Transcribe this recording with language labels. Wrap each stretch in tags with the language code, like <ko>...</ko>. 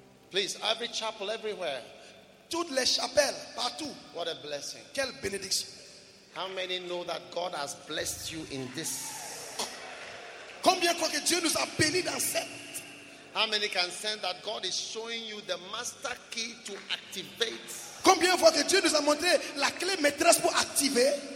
<en>Please, every chapel, everywhere.</en> <fr>Toutes les chapelles, partout.</fr> <en>What a blessing.</en> <fr>Quelle bénédiction.</fr> <en>How many know that God has blessed you in this?</en> <fr>Combien croient que Dieu nous a bénis dans cette?</fr> <en>How many can say that God is showing you the master key to activate?</en> <fr>Combien croient que Dieu nous a montré la clé maîtresse pour activer?</fr>